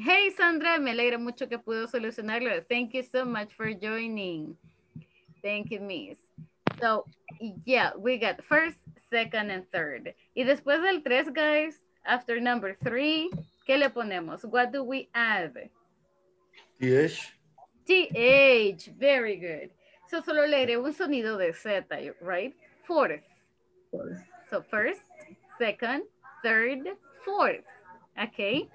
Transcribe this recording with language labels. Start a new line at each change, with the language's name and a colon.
Spanish: Hey, Sandra, me alegra mucho que pudo solucionarlo.
English: Thank you so much for joining. Thank you, Miss. So, yeah, we got first, second, and third.
Spanish: Y después del tres, guys,
English: after number 3,
Spanish: ¿qué le ponemos?
English: What do we add? TH. TH, very good.
Spanish: So solo le haré un sonido de Z, right? Fourth.
English: So first, second, third, fourth. Okay.